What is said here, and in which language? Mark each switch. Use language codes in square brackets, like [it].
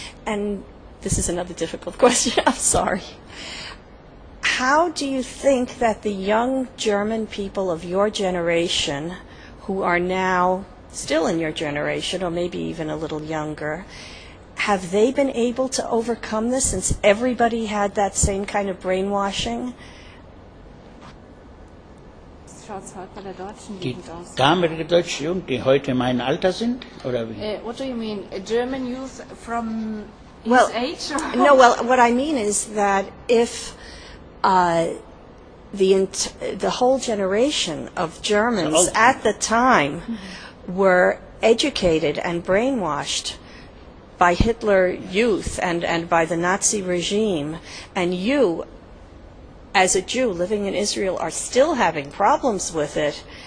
[en] And this is another difficult question, I'm sorry. How do you think that the young German people of your generation, who are now still in your generation, or maybe even a little younger, have they been able to overcome this, since everybody had that same kind of brainwashing? [de] Die damalige deutsche Jugend, die heute mein Alter sind, oder wie? [en] What do you mean, a German youth from his age? No, well, what I mean is that if the whole generation of Germans at the time were educated and brainwashed by Hitler youth and by the Nazi regime, and you, as a Jew living in Israel, are still having problems with it,